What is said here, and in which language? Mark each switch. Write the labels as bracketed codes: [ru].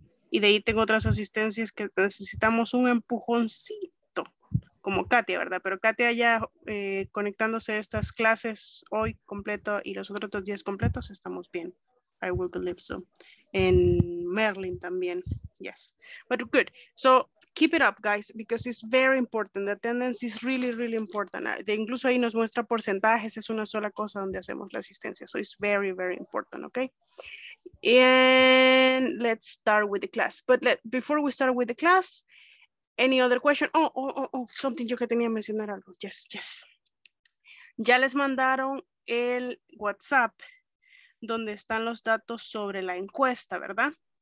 [es] Y de ahí tengo otras asistencias que necesitamos un empujoncito. Como Katia, ¿verdad? Pero Katia ya conectándose a estas clases hoy completo y los otros dos días completos, estamos bien. [en] I will believe so. En Merlin también. Yes. But good. So keep it up, guys, because it's very important. The attendance is really, really important. Incluso ahí nos muestra porcentajes. [es] Es una sola cosa donde hacemos la asistencia. [en] So it's very, very important, okay? And let's start with the class. But before we start with the class, any other question? [es] Oh, something yo que tenía que mencionar algo. Yes, yes. Ya les mandaron el WhatsApp donde están los datos sobre la encuesta, ¿verdad?